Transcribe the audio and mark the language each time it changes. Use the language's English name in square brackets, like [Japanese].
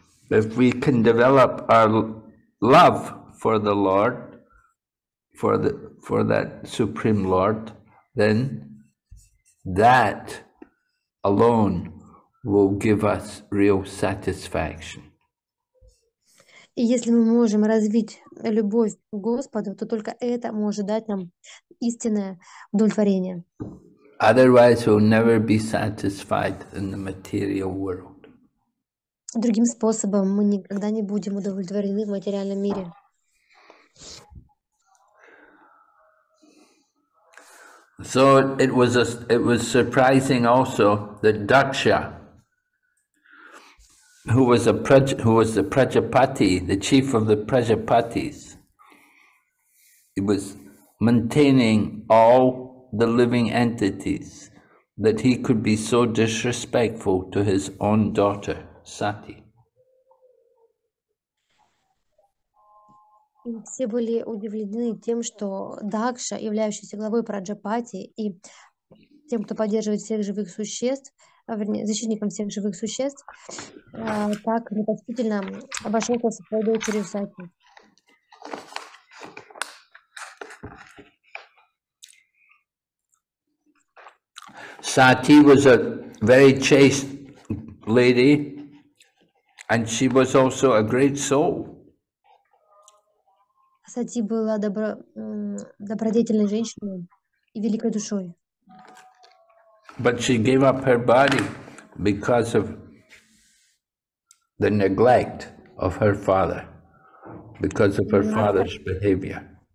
[English] If we can develop our love for the Lord, for that Supreme Lord, then that alone will give us real satisfaction. [Russian] И если мы можем развить любовь к Господу, то только это может дать нам истинное удовлетворение. [English] Otherwise, we'll never be satisfied in the material world. [Russian] Другим способом мы никогда не будем удовлетворены в материальном мире. [English] So it was surprising also that Daksha, who was the Prajapati, the chief of the Prajapatis, he was maintaining all the living entities, that he could be so disrespectful to his own daughter, Sati. [Russian] Все были удивлены тем, что Дакша, являющийся главой Праджапати и тем, кто поддерживает всех живых существ, вернее, защитником всех живых существ, так непочтительно обошелся со своей дочерью Сати. [English] Sati was a very chaste lady, and she was also a great soul. [Russian] Сати была добродетельной женщиной и великой душой. [English] But she gave up her body because of the neglect of her father, because of her father's behavior.